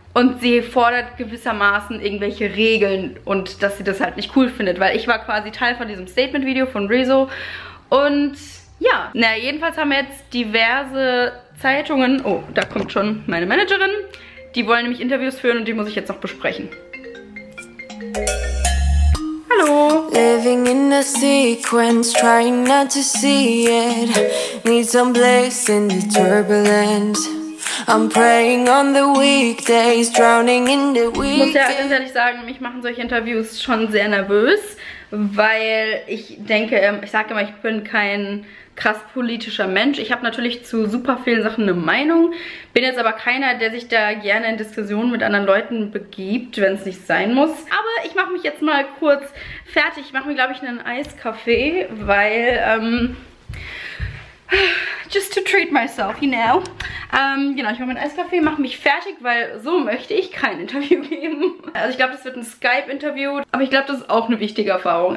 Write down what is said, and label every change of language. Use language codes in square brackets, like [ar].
[de] Und sie fordert gewissermaßen irgendwelche Regeln und dass sie das halt nicht cool findet, weil ich war quasi Teil von diesem Statement-Video von Rezo. Und ja, naja, jedenfalls haben jetzt diverse Zeitungen, oh, da kommt schon meine Managerin, die wollen nämlich Interviews führen und die muss ich jetzt noch besprechen. [en] Living in a sequence, trying not to see it, need some bliss in the turbulence. I'm praying on the weekdays, drowning in the weekend. [de] Ich muss ja ganz ehrlich sagen, mich machen solche Interviews schon sehr nervös, weil ich denke, ich sage immer, ich bin kein krass politischer Mensch. Ich habe natürlich zu super vielen Sachen eine Meinung, bin jetzt aber keiner, der sich da gerne in Diskussionen mit anderen Leuten begibt, wenn es nicht sein muss. Aber ich mache mich jetzt mal kurz fertig. Ich mache mir, glaube ich, einen Eiskaffee, weil... [en] just to treat myself, you know. [de] Genau, ich mache meinen Eiskaffee, mache mich fertig, weil so möchte ich kein Interview geben. Also ich glaube, das wird ein Skype-Interview, aber ich glaube, das ist auch eine wichtige Erfahrung.